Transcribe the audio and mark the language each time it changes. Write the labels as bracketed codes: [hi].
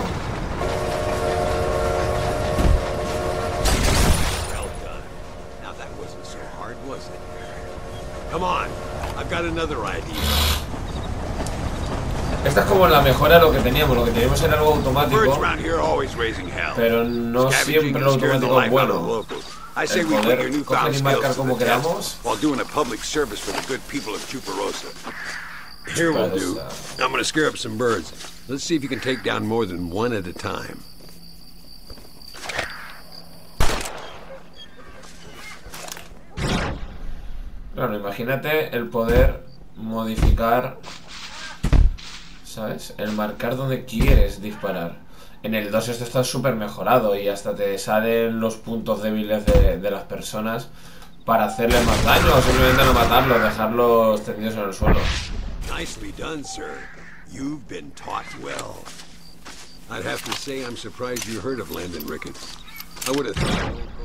[en] Well done. Now that wasn't so hard, was it? Come on, I've got another idea. [es] Esta es como la mejora de lo que teníamos era algo automático. Pero no siempre lo automático es bueno. [en] I say we put your newfound skills to the test while doing a public service for the good people of Chuparosa. Here we'll do. I'm gonna scare up some birds. Let's see if you can take down more than one at a time. [es] Claro, imagínate el poder modificar, ¿sabes? El marcar donde quieres disparar. En el 2 esto está súper mejorado y hasta te salen los puntos débiles de las personas para hacerle más daño o simplemente no matarlos, dejarlos tendidos en el suelo. [en] Nicely done, sir. You've been taught well. I'd have to say I'm surprised you heard of Landon Ricketts. I would have thought.